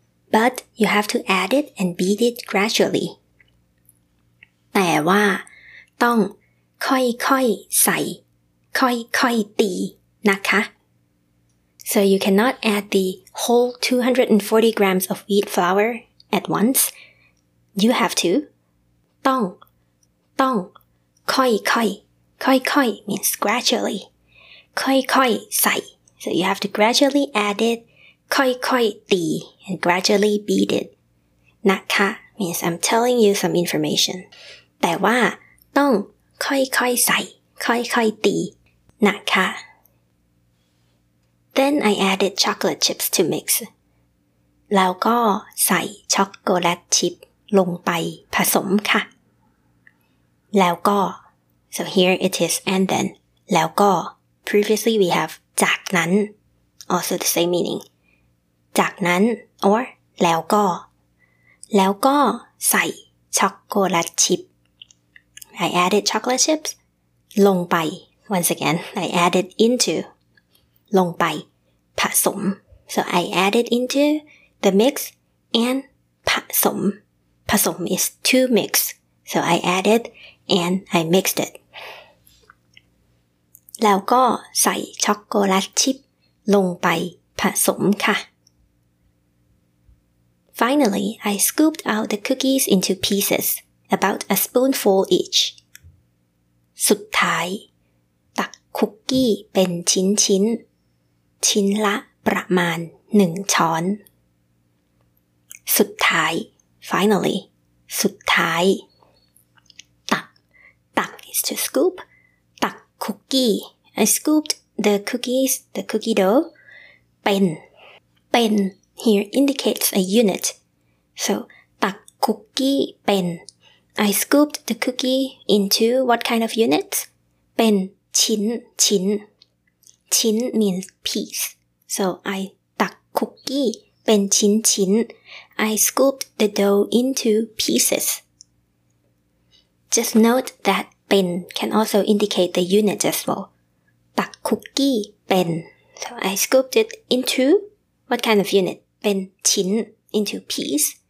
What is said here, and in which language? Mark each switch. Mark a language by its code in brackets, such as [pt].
[en] But you have to add it and beat it gradually. [th] แต่ว่าต้องค่อยๆใส่ค่อยๆตีนะคะ [en] So you cannot add the whole 240 grams of wheat flour at once. You have to. [th] ต้องค่อย [en] means gradually. [th] ค่อยใส่ [en] So you have to gradually add it. [th] ค่อย [en] ตี and gradually beat it. นะคะ means I'm telling you some information. [th] แต่ว่าต้องค่อยใส่ค่อยตีนะคะ [en] Then I added chocolate chips to mix. [th] แล้วก็ใส่ช็อกโกแลตชิพลงไปผสมค่ะ แล้วก็ [en] So here it is and then. [th] แล้วก็ [en] Previously we have [th] จากนั้น [en] Also the same meaning. [th] จากนั้น [en] Or [th] แล้วก็แล้วก็ใส่ช็อกโกแลตชิพ [en] I added chocolate chips [th] ลงไป [en] Once again, I added into [th] ลงไปผสม [en] so I added into the mix and ผสม is to mix so I added and I mixed it [th] แล้วก็ใส่ช็อกโกแลตชิพลงไปผสมค่ะ [en] finally I scooped out the cookies into pieces about a spoonful each [th] สุดท้ายตักคุกกี้เป็นชิ้นๆชิ้นละประมาณ1ช้อนสุดท้าย [en] finally [th] สุดท้ายตัก [en] is to scoop [th] ตักคุกกี้ [en] I scooped the cookie dough [th] เป็น [en] here indicates a unit [th] so ตักคุกกี้เป็น [en] I scooped the cookie into what kind of units [th] เป็นชิ้นชิ้น [en] means piece. So I [th] ตักคุกกี้เป็นชิ้นชิ้น [en] I scooped the dough into pieces. Just note that เป็น can also indicate the unit as well. [th] ตักคุกกี้เป็น [en] So I scooped it into what kind of unit? [th] เป็นชิ้น [en] into piece.